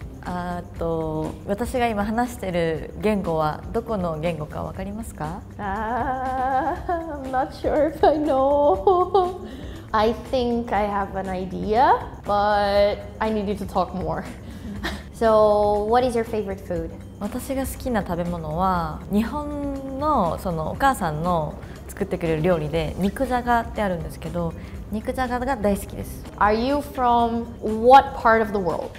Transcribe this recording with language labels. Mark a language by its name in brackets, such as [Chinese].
[Japanese] 私が今話している言語はどこの言語か分かりますか? [English] I'm not sure if I know. I think I have an idea, but I need you to talk more. So, what is your favorite food? [Japanese] 私が好きな食べ物は日本の、 そのお母さんの作ってくれる料理で肉じゃがってあるんですけど肉じゃがが大好きです [English] Are you from what part of the world?